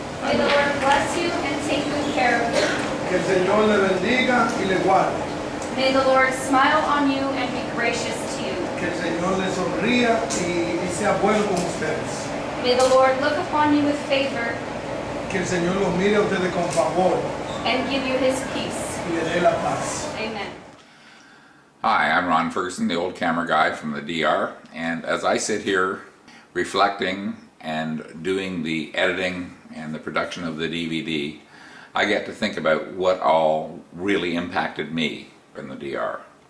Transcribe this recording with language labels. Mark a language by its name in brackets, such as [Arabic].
[English] May the Lord bless you and take good care of you. [Spanish] Que el Señor le bendiga y le guarde. [English] May the Lord smile on you and be gracious to you. [Spanish] Que el Señor le sonría y sea bueno con ustedes. [English] May the Lord look upon you with favor. [Spanish] Que el Señor los mire a ustedes con favor. [English] And give you his peace. [Spanish] Y le dé la paz. [English] Amen. Hi, I'm Ron Ferguson, the old camera guy from the DR, and as I sit here reflecting and doing the editing and the production of the DVD, I get to think about what all really impacted me in the DR.